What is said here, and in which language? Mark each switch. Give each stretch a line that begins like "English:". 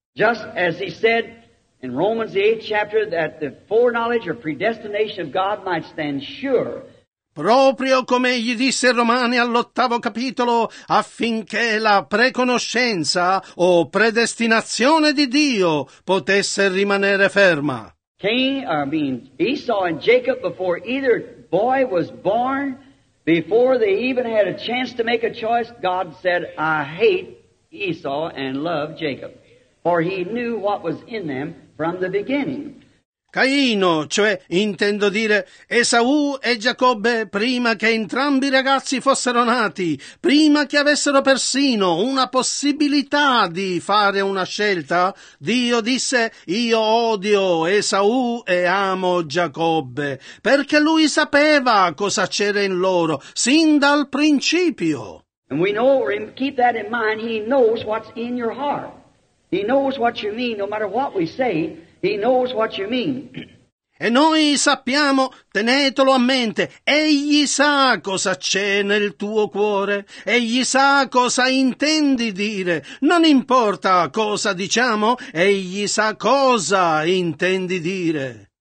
English: Just as he said in Romans the 8th chapter that the foreknowledge or predestination of God might stand sure.
Italian: Proprio come gli disse Romani all'ottavo capitolo, affinché la preconoscenza o predestinazione di Dio potesse rimanere ferma.
English: Esau and Jacob, before either boy was born, before they even had a chance to make a choice, God said, I hate Esau and love Jacob, for he knew what was in them from the beginning.
Italian: Caino, cioè, intendo dire, Esaù e Giacobbe, prima che entrambi i ragazzi fossero nati, prima che avessero persino una possibilità di fare una scelta, Dio disse, io odio Esaù e amo Giacobbe, perché lui sapeva cosa c'era in loro, sin dal principio.
English: And we know, keep that in mind, he knows what's in your heart. He knows what you mean, no matter what we say. He knows what you mean.
Italian: E noi sappiamo, tenetelo a mente, egli sa cosa c'è nel tuo cuore, egli sa cosa intendi dire, non importa cosa diciamo, egli sa cosa intendi dire.